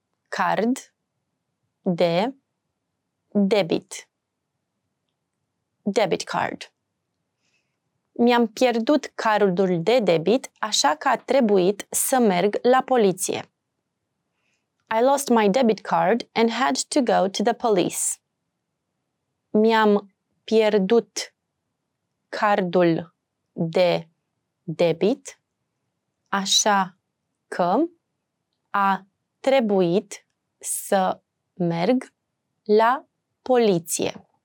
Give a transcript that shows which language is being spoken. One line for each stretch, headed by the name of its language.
Romanian: Card de debit.
English: Debit card.
Romanian: Mi-am pierdut cardul de debit, așa că a trebuit să merg la poliție.
English: I lost my debit card and had to go to the police.
Romanian: Mi-am pierdut cardul de debit, așa că a trebuit să merg la poliție.